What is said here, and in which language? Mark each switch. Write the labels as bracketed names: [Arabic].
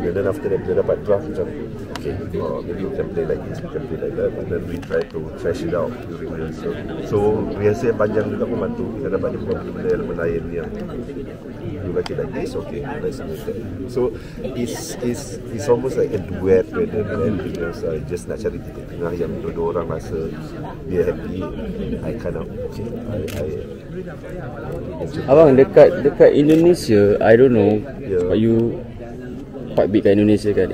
[English] And then after that [Malay] dia dapat draft macam [English] okay, maybe we can play like this, we can play like that. And then we try to trash it out during the rehearsal. [Malay] So rehearsal yang panjang juga pun bantu. Kita dapat jumpa benda elemen lain yang [English] you like it like this, okay, let's move that. So it's almost like a duet rather than anything else. I just [Malay] nak cari titik tengah yang dua-dua orang rasa dia happy. [English] I kind of, okay, I [Malay] abang, dekat Indonesia, [English] I don't know, yeah. But you quite big [Malay] kat Indonesia kan.